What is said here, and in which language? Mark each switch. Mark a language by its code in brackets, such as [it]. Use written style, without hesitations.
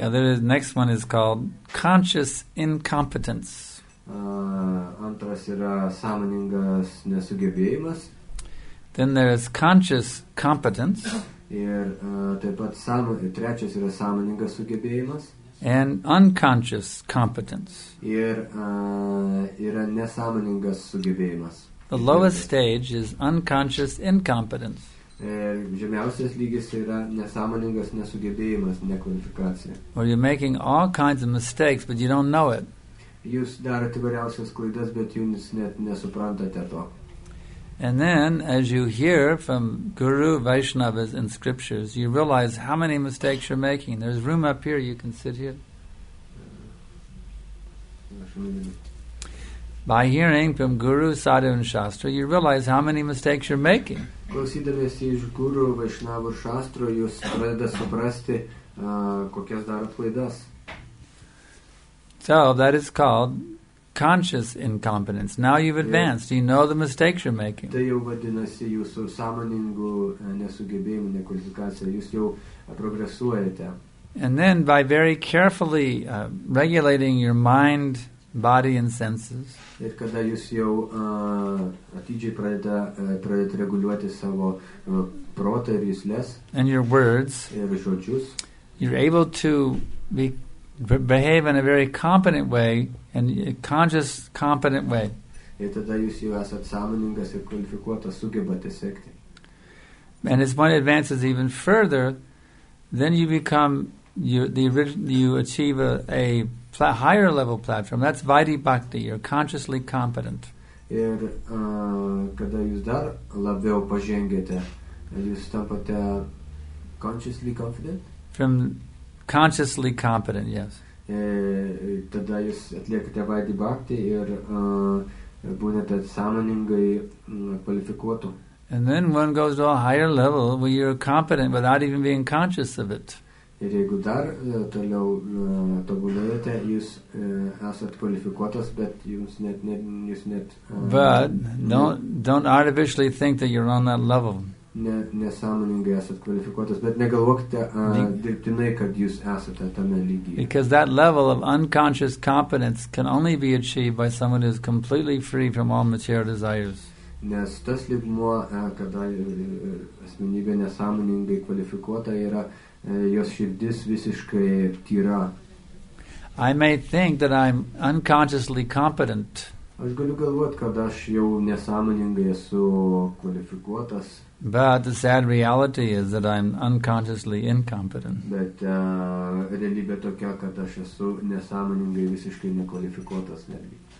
[en] The other is, next one is called conscious incompetence. [lt] Antras yra sąmoningas nesugebėjimas. [en] Then there is conscious competence. [lt] Ir taip pat trečias yra sąmoningas sugebėjimas. [en] And unconscious competence. [lt] Ir yra nesąmoningas sugebėjimas. [en] The lowest stage is unconscious incompetence. [lt] Žemiausias lygis yra nesąmoningas nesugebėjimas, nekvalifikacija. [en] Or you're making all kinds of mistakes, but you don't know it. [lt] Jūs darote įvairiausias klaidas, bet jūs net nesuprantate to. [en] And then, as you hear from Guru Vaishnavas in scriptures, you realize how many mistakes you're making. There's room up here, you can sit here. By hearing from Guru, Sadhu, and Shastra, you realize how many mistakes you're making. [lt] Klausydamiesi iš Guru, Vaishnavo, Shastro, jūs pradeda suprasti, kokias daro klaidas. [en] So, that is called conscious incompetence. Now you've advanced. Yeah. You know the mistakes you're making. [lt] Tai jau vadinasi jūsų sąmoningų nesugebėjimų, nekvalifikacija. Jūs jau progresuojate. [en] And then, by very carefully regulating your mind, body and senses. [lt] Ir kada jūs jau atidžiai pradėt reguliuoti savo protą ir jūsles. [en] And your words. [lt] Ir žodžius. [en] You're able to behave in a very competent way, and a conscious, competent way. [lt] Ir tada jūs jau esat sąmoningas ir kvalifikuotas sugebate sekti. [en] And as one advances even further, then you become, you achieve a higher level platform. That's Vaidhi Bhakti. You're consciously competent. [lt] Ir kada jūs dar labiau pažengiate, jūs tampate [en] consciously confident? From consciously competent, yes. [lt] Tada jūs atliekate Vaidhi Bhakti ir būnate sąmoningai kvalifikuotų. [en] And then one goes to a higher level where you're competent without even being conscious of it. [lt] Ir jeigu dar toliau tobulėjate, jūs esat kvalifikuotas, bet jūs net... [en] But don't artificially think that you're on that level. [lt] Nesąmoningai esat kvalifikuotas, bet negalvokite dirbtinai, kad jūs esate tame lygyje. [en] Because that level of unconscious competence can only be achieved by someone who is completely free from all material desires. [lt] Nes tas lygmuo, kada asmenybė nesąmoningai kvalifikuota yra... jos širdis visiškai tyra. [en] I may think that I'm unconsciously competent. [lt] Aš galiu galvot, kad aš jau nesąmoningai esu kvalifikuotas. [en] But the sad reality is that I'm unconsciously incompetent. [lt] Bet realybė tokia, kad aš esu nesąmoningai visiškai nekvalifikuotas netgi.